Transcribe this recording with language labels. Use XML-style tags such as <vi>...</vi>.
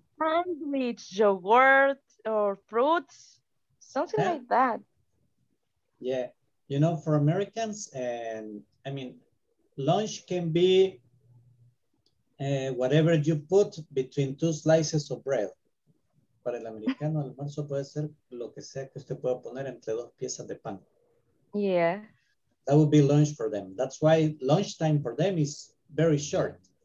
<en>Sandwich, yogurt, or fruits, something like that. Yeah, you know, for Americans, and I mean, lunch can be whatever you put between two slices of bread.</en> <es>Para el americano, el almuerzo puede ser lo que sea que usted pueda poner entre dos piezas de pan.</es> <en>Yeah. That would be lunch for them. That's why lunch time for them is very short.</en>